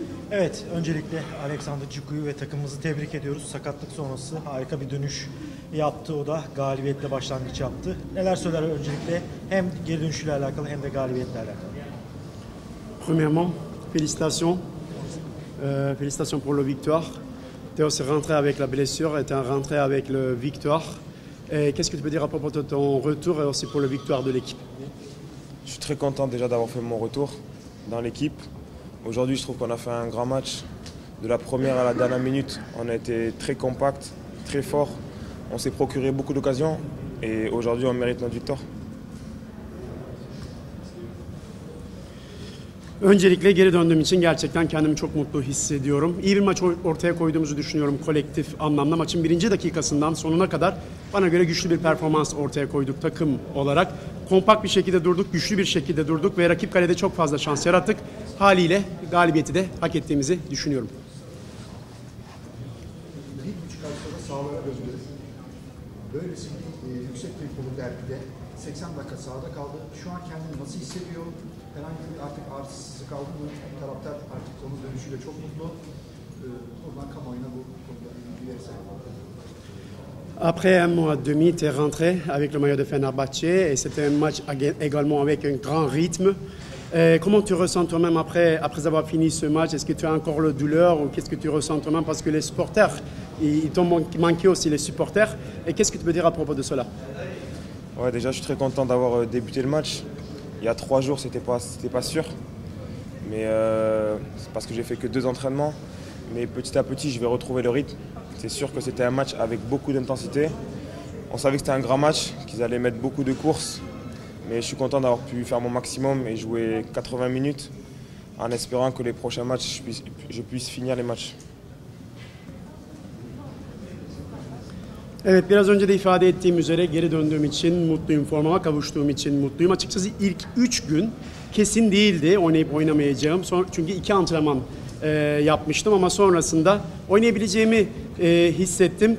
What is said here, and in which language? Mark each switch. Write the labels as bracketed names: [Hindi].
[Turkish] Evet, öncelikle Alexander Cicu'yu ve takımımızı tebrik ediyoruz. Sakatlık sonrası harika bir dönüş yaptı, o da galibiyetle başlangıç yaptı. Neler söyler öncelikle hem geri dönüşüyle alakalı hem de galibiyetle alakalı? [French] Premièrement, félicitations. Félicitations pour la victoire. Théo s'est rentré avec la blessure et t'es rentré avec la victoire. Et qu'est-ce que tu peux dire à propos de ton retour et aussi pour la victoire de l'équipe? Je suis très content déjà d'avoir fait mon retour dans l'équipe. Aujourd'hui, je trouve qu'on a fait un grand match. De la première à la dernière minute, on a été très compact, très fort. On s'est procuré beaucoup d'occasions et aujourd'hui, on mérite notre victoire. [Turkish] Öncelikle geri döndüğüm için gerçekten kendimi çok mutlu hissediyorum. İyi bir maç ortaya koyduğumuzu düşünüyorum kolektif anlamda. Maçın birinci dakikasından sonuna kadar bana göre güçlü bir performans ortaya koyduk takım olarak. Kompakt bir şekilde durduk, güçlü bir şekilde durduk ve rakip kalede çok fazla şans yarattık. Haliyle galibiyeti de hak ettiğimizi düşünüyorum. Bir buçuk ay sonra sağlığa özgürüz. Böylesi yüksek bir kulüp derbide 80 dakika sahada kaldı. Şu an kendini nasıl hissediyor? Herhangi bir artık artısızı kaldı mı? Taraftar artık onun dönüşüyle çok mutlu. Oradan kamuoyuna bu konuda bilgi verirsen. [French] Après un mois et demi, tu es rentré avec le maillot de Fenerbahçe et c'était un match également avec un grand rythme. Et comment tu ressens toi-même après avoir fini ce match? Est-ce que tu as encore la douleur ou qu'est-ce que tu ressens toi-même? Parce que les supporters, ils t'ont manqué aussi, les supporters. Et qu'est-ce que tu peux dire à propos de cela? Ouais, déjà, je suis très content d'avoir débuté le match. Il y a trois jours, c'était pas sûr. Mais c'est parce que j'ai fait que deux entraînements. Mais petit à petit, je vais retrouver le rythme. C'est sûr que c'était un match avec beaucoup d'intensité. On savait que c'était un grand match, qu'ils allaient mettre beaucoup de courses. Mais je suis content d'avoir pu faire mon maximum et jouer 80 minutes en espérant que les prochains matchs, je puisse finir les matchs. [Turkish] Evet, biraz önce de ifade ettiğim üzere geri döndüğüm için mutluyum, formama kavuştuğum için mutluyum. Açıkçası ilk 3 gün kesin değildi oynayıp oynamayacağım. Çünkü 2 antrenman yapmıştım ama sonrasında oynayabileceğimi hissettim.